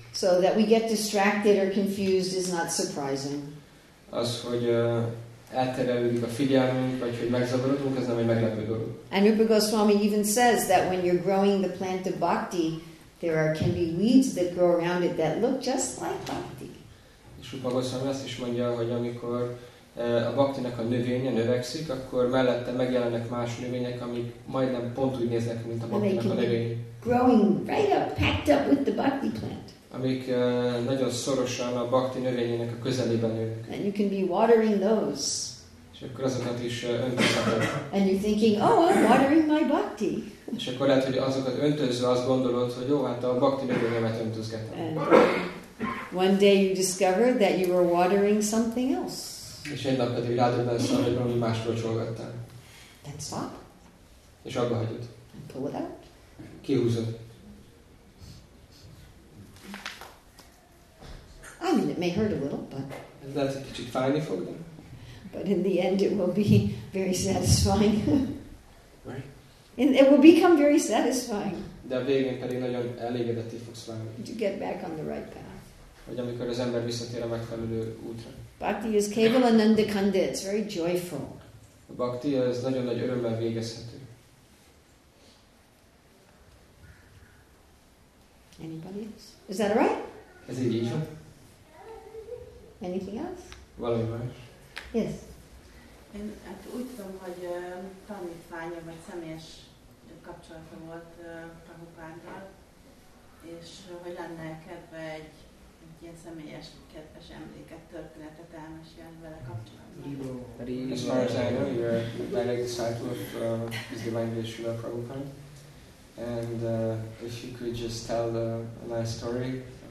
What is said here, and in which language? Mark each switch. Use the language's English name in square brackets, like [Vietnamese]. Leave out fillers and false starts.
[English] So that we get distracted or confused is not surprising. [Hungarian] Az, hogy elterelődik a figyelmünk, vagy hogy megzavarodunk, ez nem egy meglepő dolog. [English] And Rupa Goswami even says that when you're growing the plant of bhakti, there are can be weeds that grow around it that look just like bhakti. [Hungarian] És Rupa Goswami azt is mondja, hogy amikor a bhaktinek a növénye növekszik, akkor mellette megjelennek más növények, amik majdnem pont úgy néznek, mint a bhaktinek a növény. [English] Growing right up, packed up with the bhakti plant. [Hungarian] Amik nagyon szorosan a bhakti növényének a közelében ülnek. [English] And you can be watering those. [Hungarian] És akkor azokat is öntözheted. [English] And you're thinking, oh, I'm watering my bhakti. [Hungarian] És akkor lehet, hogy azokat öntözve azt gondolod, hogy jó, hát a bhakti növényemet öntözgetem. [English] And one day you discover that you were watering something else. [Hungarian] És egy nap pedig rádöbbensz, hogy valami másról csolgattál. [English] Then stop. [Hungarian] És abba hagyod. [English] And pull it out. [Hungarian] Kihúzod. [English] I mean, it may hurt a little, but. [Hungarian] Ez lehet, hogy kicsit fájni fog, de. [English] But in the end, it will be very satisfying. Right. It will become very satisfying. [Hungarian] De a végén pedig nagyon elégedetté fogsz válni. [English] To get back on the right path. [Hungarian] Hogy amikor az ember visszatér a megfelelő útra. [English] Bhakti is kevala nandakanda. It's very joyful. [Hungarian] A bhakti az nagyon nagy örömmel végezhető. [English] Anybody else? Is that all right? [Hungarian] Ez így van. [English] Anything else? [Hungarian] Valami más. [English] Yes. [Hungarian] Én hát úgy tudom, hogy tanítványa vagy személyes kapcsolata volt Prabhupáddal, és hogy lenne kedve egy ilyen személyes, kedves emléket, történetet elmesélni vele kapcsolatban. [English] As far as I know, you're a direct disciple of His Divine Vishnu Prabhupada. And if you could just tell a nice story.